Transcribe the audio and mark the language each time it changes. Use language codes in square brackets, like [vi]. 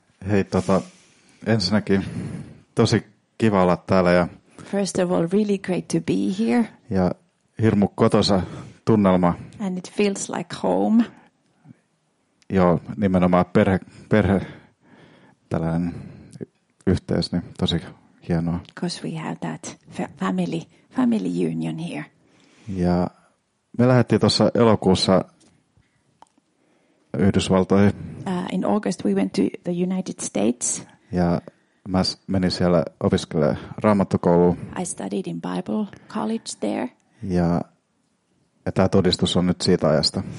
[fi] Hei, ensinnäkin tosi kiva olla täällä ja [en] first of all, really great to be here. [fi] Ja hirmu kotosa tunnelma. [en] And it feels like home. [fi] Joo, nimenomaan perhe tällainen yhteys, niin tosi hienoa. [en] Because we have that family union here. [fi] Ja me lähdettiin tuossa elokuussa Yhdysvaltoihin. [en] In August we went to the United States. [fi] Ja mä menin siellä opiskelemaan raamattokouluun. [en] I studied in Bible college there. [fi] Ja tämä todistus on nyt siitä ajasta.